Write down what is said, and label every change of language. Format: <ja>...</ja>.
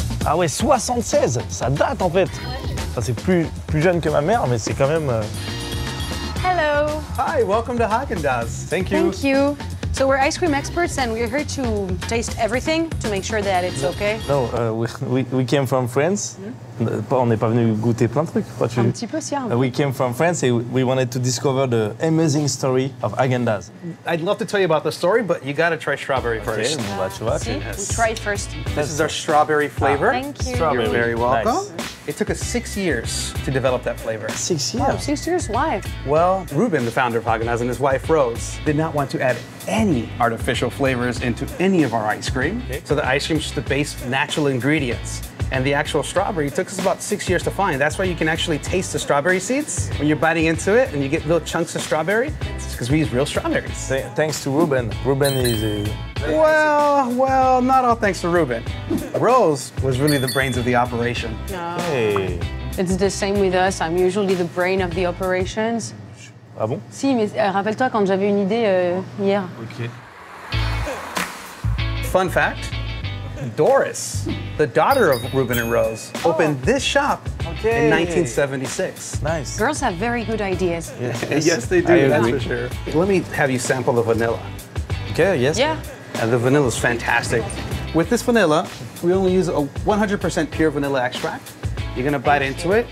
<fr>Ah ouais, 76, ça date en fait. Enfin, c'est plus jeune que ma mère, mais c'est quand même...</fr> <en>Hello. Hi, welcome to Haagen Dazs. Thank you. Thank you. So we're ice cream experts and we're here to taste everything to make sure that it's okay. No, we came from France.</en> <fr>Mm-hmm. On n'est pas venu goûter plein de trucs. Un petit peu, si.</fr> <en>We came from France and we wanted to discover the amazing story of Haagen Dazs. I'd love to tell you about the story, but you gotta try strawberry first. Okay, we'll try it first. This is our strawberry flavor. Thank you. Strawberry. You're very welcome. Nice. It took us 6 years to develop that flavor. 6 years? Wow, 6 years, why? Well, Ruben, the founder of Haagen Dazs, and his wife, Rose, did not want to add any artificial flavors into any of our ice cream. Okay. So the ice cream is just the base natural ingredients. And the actual strawberry took us about 6 years to find. That's why you can actually taste the strawberry seeds when you're biting into it and you get little chunks of strawberry. It's because we use real strawberries. Thanks to Ruben. Ruben is a... Well, not all thanks to Ruben. Rose was really the brains of the operation. Hey. It's the same with us. I'm usually the brain of the operations.</en> <fr>Ah bon? Si, mais rappelle-toi quand j'avais une idée hier.</fr> <en>OK. Fun fact. Doris, the daughter of Ruben and Rose, opened this shop in 1976. Nice. Girls have very good ideas. Yes, they do, that's for sure. Let me have you sample the vanilla. Okay, yes. Yeah. And the vanilla is fantastic. With this vanilla, we only use a 100% pure vanilla extract. You're gonna bite into it.</en>